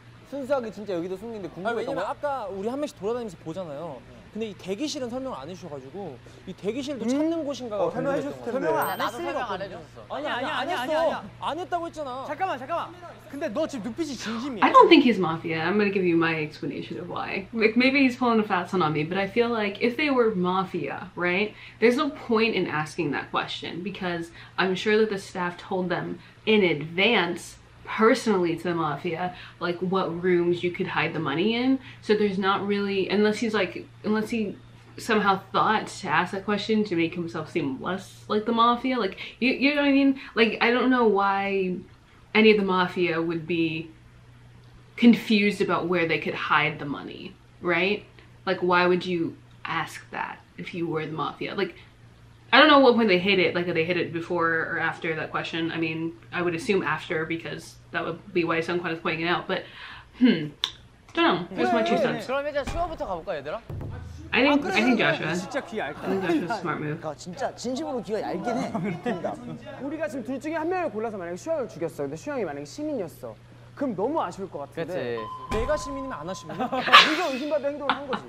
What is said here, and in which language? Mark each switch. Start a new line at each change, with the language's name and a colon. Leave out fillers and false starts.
Korean: 순수하게 진짜 여기도 숨긴데 궁금했던 거야? 아까 우리 한 명씩 돌아다니면서 보잖아요. 근데 이 대기실은 설명 안 해주셔가지고 이 대기실도 찾는 곳인가가 설명해줬을 텐데. 설명을 안 했을 리가 없거든요. 아니 안 했다고 했잖아. 잠깐만. 근데 너 지금 눈빛이 진심이야.
English: I don't think he's mafia. I'm gonna give you my explanation of why. Like maybe he's pulling a fast one on me, but I feel like if they were mafia, right? There's no point in asking that question because I'm sure that the staff told them in advance. Personally to the mafia, like what rooms you could hide the money in. So there's not really, unless he somehow thought to ask that question to make himself seem less like the mafia. Like, you know what I mean? Like, I don't know why any of the mafia would be confused about where they could hide the money, right? Like, why would you ask that if you were the mafia? Like, I don't know what point they hid it, like if they hid it before or after that question. I mean, I would assume after because that would be why Sungkwan is pointing it out, but don't know. That's my two cents.
Korean: 그럼 이제 수아부터 가볼까, 얘들아?
English: I think Joshua.
Korean: 진짜 귀 얇다.
English: I think Joshua's smart move.
Korean: 아, 진짜 진심으로 귀가 얇긴 해. 우리가 지금 둘 중에 한 명을 골라서 만약에 수아를 죽였어. 근데 수아 형이 만약에 시민이었어. 그럼 너무 아쉬울 것 같은데. 그치. 내가 시민이면 안 아쉽나? 우리가 의심받은 행동을 한 거지.